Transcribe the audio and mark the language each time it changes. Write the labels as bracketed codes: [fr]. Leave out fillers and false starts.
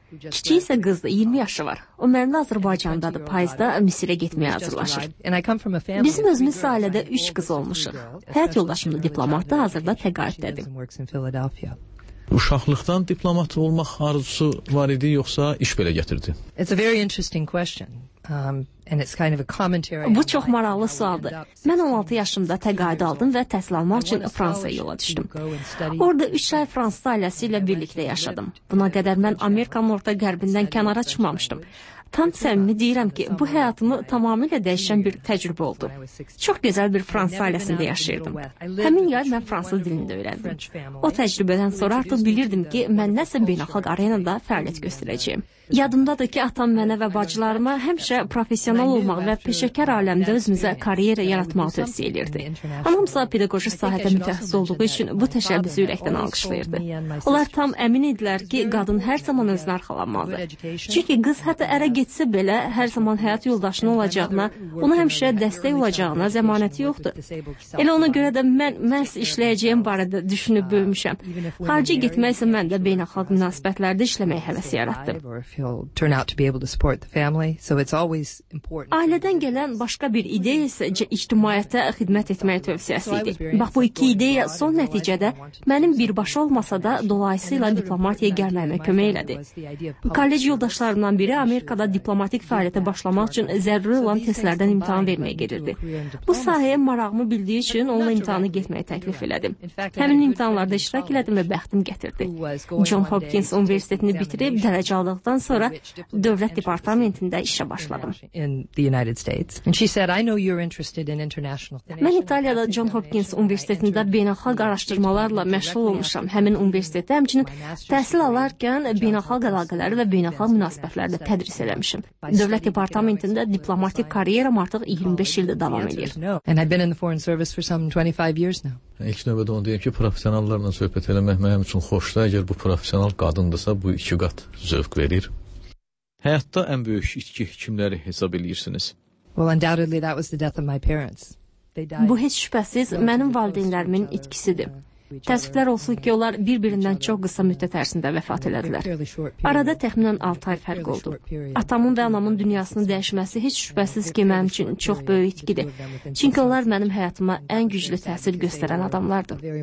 [az] Kiçik isə qızdır, 20 yaşı var. O mənimlə Azərbaycandadır, payızda Misirə getməyə hazırlaşır. Bizim özümüz ailədə 3 qız olmuşuq. Həyat yoldaşım da diplomatdır, hazırda təqaüddədir. Uşaqlıqdan diplomat olmaq arzusu var idi, yoxsa iş belə gətirdi? [en] It's a very interesting question. And it's kind of a commentary. [az] Bu çox maraqlı sualdır. Mən 16 yaşımda təqaüd aldım və təhsil almaq üçün Fransaya yola düşdüm. Orada 3 ay Fransız ailəsi ilə birlikdə yaşadım. Buna qədər mən Amerikanın orta qərbindən kənara çıxmamışdım. Tam səmimi deyirəm ki, bu həyatımı tamamilə dəyişən bir təcrübə oldu. Çox gözəl bir Fransız ailəsində yaşayırdım. Həmin yay mən Fransız dilini də öyrəndim. O təcrübədən sonra artıq bilirdim ki, mən nəsə beynəlxalq arenada fəaliyyət göstərəcəyim. Yadımdadır ki, atam mənə və bacılarıma həmişə professional olmaq və peşəkar aləmdə özümüzə kariyer yaratmaq tövsiyə edirdi. Anamsa pedaqoji sahədə mütəxəssis olduğu üçün bu təşəbbüsü ürəkdən alqışlayırdı. Onlar tam əmin idilər ki, qadın hər zaman özünə arxalanmalıdır. Çünki qız hətta ərə getsə belə hər zaman həyat yoldaşının olacağına, ona həmişə dəstək olacağına zəmanəti yoxdur. Elə ona görə də mən məhz işləyəcəyim barədə düşünüb böyümüşəm. Xarici getmək isə mən də beynəlxalq münasibətlərdə işləmək həvəsi yaratdım. [en] He'll turn out to be able to support the family, so it's always important. [az] Ailədən gələn başqa bir ideya isə ictimaiyyətə xidmət etmək tövsiyəsi idi. Bax, bu iki ideya son nəticədə mənim birbaşa olmasa da dolayısıyla diplomatiyaya gəlməyimə kömək elədi. Kollec yoldaşlarımdan biri Amerikada diplomatik fəaliyyətə başlamaq üçün zəruri olan testlərdən imtahan verməyə gedirdi. Bu sahəyə marağımı bildiyi üçün onunla imtahanı getməyə təklif elədim. Həmin imtahanlarda iştirak elədim və bəxtim gətirdi. John Hopkins Universitetini bitirib dərəcə aldım. Ondan sonra Dövlət Departamentində işə başladım. Mən İtaliyada John Hopkins Universitetində beynəlxalq araşdırmalarla məşğul olmuşam. Həmin universitetdə həmçinin təhsil alarkən beynəlxalq əlaqələri və beynəlxalq münasibətlərdə tədris eləmişim. Dövlət Departamentində diplomatik kariyeram artıq 25 ildir davam edir. [en] And I've been in the Foreign Service for some 25 years now. [az] İlk növbədə onu deyim ki, professionallarla söhbət eləmək mənim üçün xoşdur. Əgər bu professional qadındırsa, bu iki qat zövq verir. Həyatda ən böyük itki kimləri hesab edirsiniz? [en] Well, undoubtedly that was the death of my parents. [az] Bu heç şübhəsiz mənim valideynlərimin itkisidir. Təəssüflər olsun ki, onlar bir-birindən çox qısa müddət ərzində vəfat elədilər. Arada təxminən 6 ay fərq oldu. Atamın və anamın dünyasını dəyişməsi heç şübhəsiz ki, mənim üçün çox böyük itkidir. Çünki onlar mənim həyatıma ən güclü təsir göstərən adamlardır.